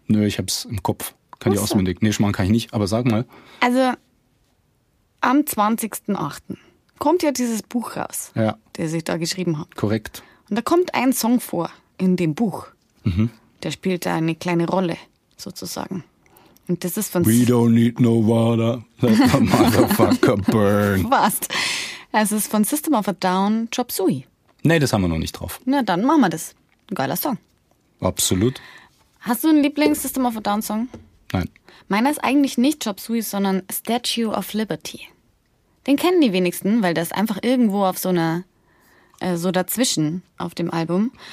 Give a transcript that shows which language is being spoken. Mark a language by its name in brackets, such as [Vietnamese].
[German] Nö, ich hab's im Kopf. Kann ich auswendig. Nee, schmarrn kann ich nicht, aber sag mal. Also, am 20.08. kommt ja dieses Buch raus, ja, das ich da geschrieben habe. Korrekt. Und da kommt ein Song vor in dem Buch. Mhm. Der spielt da eine kleine Rolle, sozusagen. Und das ist von... [English] We don't need no water, let the motherfucker burn. [German] Fast. Es ist von System of a Down, Chop Suey. Nee, das haben wir noch nicht drauf. Na, dann machen wir das. Ein geiler Song. Absolut. Hast du einen Lieblings-System of a Down Song? Nein. Meiner ist eigentlich nicht Chop Suey, sondern Statue of Liberty. Den kennen die wenigsten, weil der ist einfach irgendwo auf so einer... so dazwischen auf dem Album.